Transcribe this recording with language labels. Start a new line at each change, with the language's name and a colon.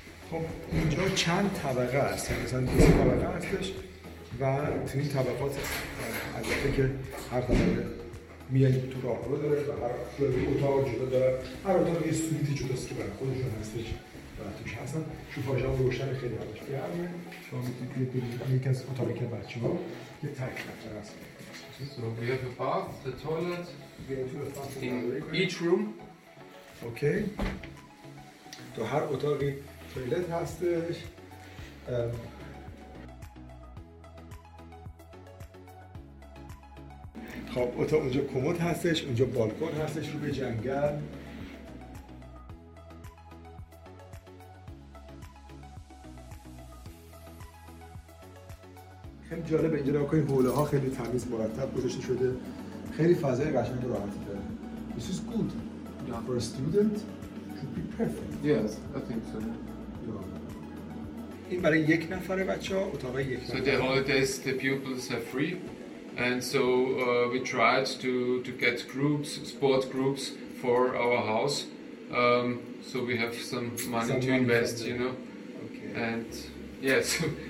Persian: خب اینجا چند طبقه هست، مثلا 2 طبقه هستش و تو این طبقات البته که هر طبقه میان تو راه رو داره و هر اتاق جدا داره، هر اتاق یه سویتی جداست که برای خودشون هستش و توش هستن. شوفاژ هم روشن خیلی هستش که همه شما میتونید یکی از اتاقی که بچه ها یه تک نفتر هست.
English: So we have a bath, the toilet, in each room.
Persian: Okay. تو هر اتاقی تویلت هستش. خب اتاق اونجا کمد هستش، اونجا بالکن هستش رو به جنگل. خیلی جالب اینجا رو کنید، حوله ها خیلی تمیز مرتب گذاشته شده، خیلی فضای قشنگ و راحتی داره.
English: This is good. Yeah. For a student, it should be perfect. Yes, I think so.
Persian: این برای یک نفره بچه ها، اتاقه یک نفره.
English: So the holidays, the pupils are free. And so we tried to get groups, sport groups for our house. So we have some money to invest, you know. Okay. And yes.